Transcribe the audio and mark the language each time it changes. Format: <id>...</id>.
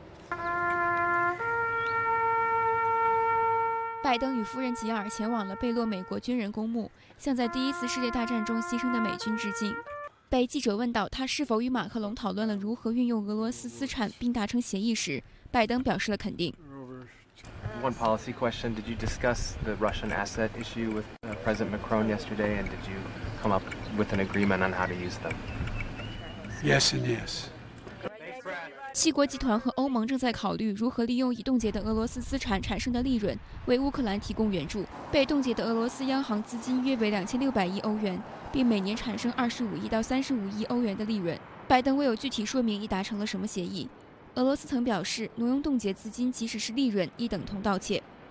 <zh>拜登与夫人吉尔前往了贝洛美国军人公墓，向在第一次世界大战中牺牲的美军致敬。被记者问到他是否与马克龙讨论了如何运用俄罗斯资产并达成协议时，拜登表示了肯定。</zh> <en>One policy question: Did you discuss the Russian asset issue with President Macron yesterday, and did you come up with an agreement on how to use them? Yes and yes.</en> <zh>七国集团和欧盟正在考虑如何利用已冻结的俄罗斯资产产生的利润为乌克兰提供援助。被冻结的俄罗斯央行资金约为2600亿欧元，并每年产生25亿到35亿欧元的利润。拜登未有具体说明已达成了什么协议。俄罗斯曾表示，挪用冻结资金即使是利润亦等同盗窃。</zh>